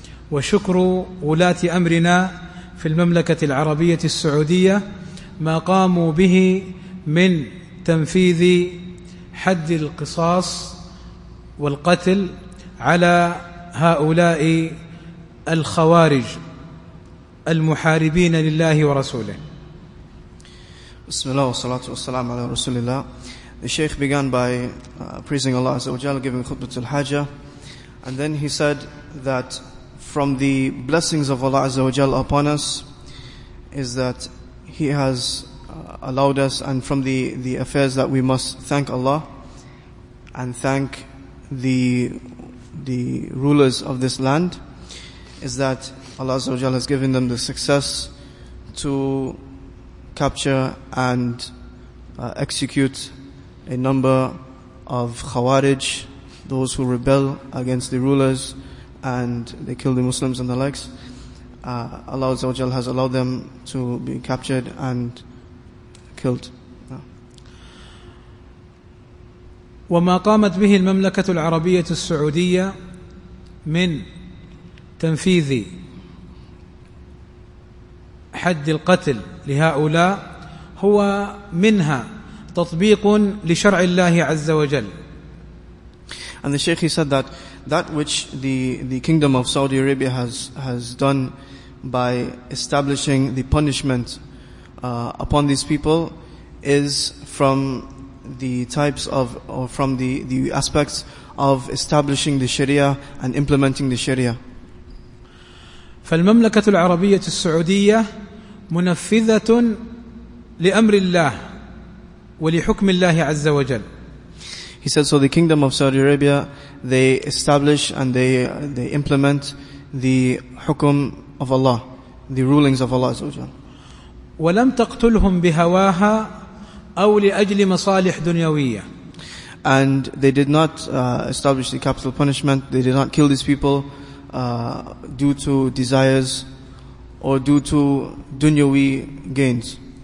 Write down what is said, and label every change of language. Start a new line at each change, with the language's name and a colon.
Arabic: وشكر ولاة أمرنا في المملكة العربية السعودية ما قاموا به من تنفيذ حد القصاص والقتل على هؤلاء الخوارج المحاربين لله ورسوله. بسم الله والصلاة والسلام على رسول الله.
English: The Sheikh began by praising Allah Azza wa Jalla, giving khutbat al-hajjah, and then he said that from the blessings of Allah Azza wa Jalla upon us is that he has allowed us, and from the affairs that we must thank Allah and thank the rulers of this land is that Allah Azza wa Jalla has given them the success to capture and execute a number of Khawarij, those who rebel against the rulers and they kill the Muslims and the likes. Allah Azza wa Jalla has allowed them to be captured and killed.
Arabic: وما قامت به المملكة العربية السعودية من تنفيذ حد القتل لهؤلاء هو منها تطبيق لشرع الله عز وجل.
English: And the Sheikh, he said that that which the kingdom of Saudi Arabia has done by establishing the punishment upon these people is from the types of, or from the aspects of establishing the Sharia and implementing the Sharia.
Arabic: فالمملكة العربية السعودية منفذة لأمر الله ولحكم الله عز وجل.
English: He said, so the kingdom of Saudi Arabia, they establish and they implement the hukum of Allah, the rulings of Allah
Arabic: عز وجل. ولم تقتلهم بهواها أو لأجل مصالح دنيوية.
English: And they did not establish the capital punishment. They did not kill these people due to desires or due to dunyawi gains.